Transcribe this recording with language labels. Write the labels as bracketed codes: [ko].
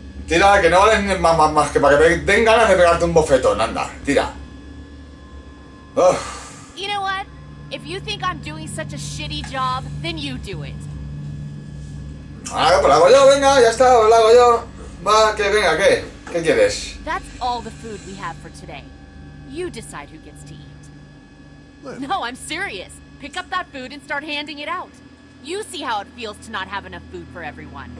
[es] Tira, que no vales más que para que den ganas de pegarte un bofetón, anda, tira. [en] You know what? If you think I'm doing such a shitty job, then you do it. [es] Ah, pues lo hago yo, venga, ya está, lo hago yo. Va, que venga, ¿qué? ¿Qué quieres? [en] That's all the food we have for today. You decide who gets to eat. No, I'm serious. Pick up that food and start handing it out. You see how it feels to not have enough food for everyone.